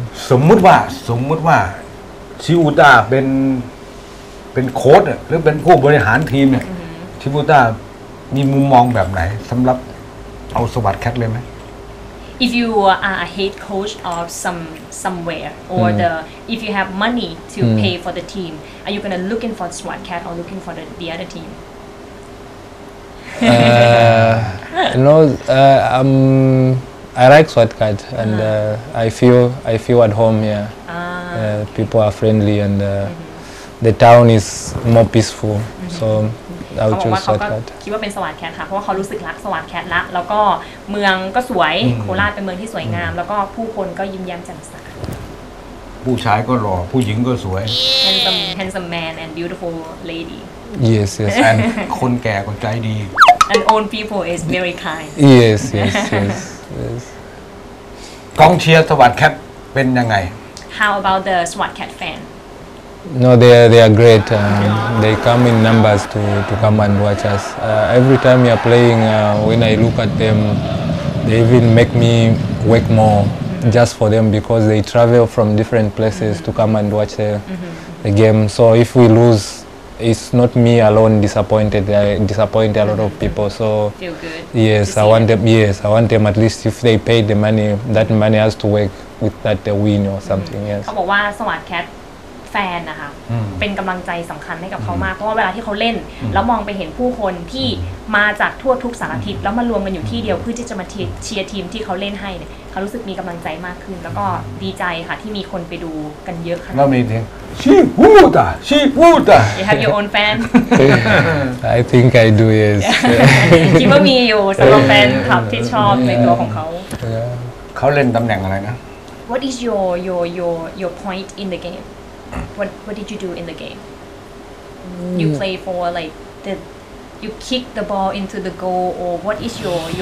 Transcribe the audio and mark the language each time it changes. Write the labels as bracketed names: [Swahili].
[Thai] สมมติว่าชิวต้าเป็นโค้ชหรือเป็นผู้บริหารทีมเนี่ยชิวต้ามีมุมมองแบบไหนสำหรับเอาสวัสดิ์แคทเลยไหม [English] If you are a head coach of somewhere or the if you have money to pay for the team, are you gonna looking for Swat Cat or looking for the other team? I like Swat Cat and I feel at home here. People are friendly and the town is more peaceful. So [Thai] เขาบอกว่าเขาก็คิดว่าเป็นสวัสดิ์แคทค่ะเพราะว่าเขารู้สึกรักสวัสดิ์แคทละแล้วก็เมืองก็สวยโคราชเป็นเมืองที่สวยงามแล้วก็ผู้คนก็ยิ้มแย้มแจ่มใส ผู้ชายก็หล่อผู้หญิงก็สวย [English] handsome man and beautiful lady yes yes [Thai] and คนแก่ก็ใจดี [English] and old people is very kind yes yes yes yes [Thai] กองเชียร์สวัสดิ์แคทเป็นยังไง [English] how about the สวัสดิ์แคท fan No, they are great. They come in numbers to come and watch us. Every time we are playing, when I look at them, they even make me work more just for them because they travel from different places to come and watch the game. So if we lose, it's not me alone disappointed. I disappoint a lot of people. So feel good. Yes, I want them. Yes, I want them. At least if they pay the money, that money has to work with that the win or something. Yes. [Thai] เขาบอกว่าสวัสดิ์แคทแฟนนะคะเป็นกำลังใจสำคัญให้กับเขามากเพราะว่าเวลาที่เขาเล่นแล้วมองไปเห็นผู้คนที่มาจากทั่วทุกสารทิศแล้วมารวมกันอยู่ที่เดียวเพื่อที่จะมาเชียร์ทีมที่เขาเล่นให้เนี่ยเขารู้สึกมีกำลังใจมากขึ้นแล้วก็ดีใจค่ะที่มีคนไปดูกันเยอะ แล้วมีเพลงชีพูดอ่ะชีพูดอ่ะ [English] You have your own fan I think I do yes [Thai] คิดว่ามีอยู่สำหรับแฟนคลับที่ชอบในตัวของเขา เขาเล่นตำแหน่งอะไรนะ [English] What is your point in the gameWhat did you do in the game? You play for like the, you kick the ball into the goal or what is your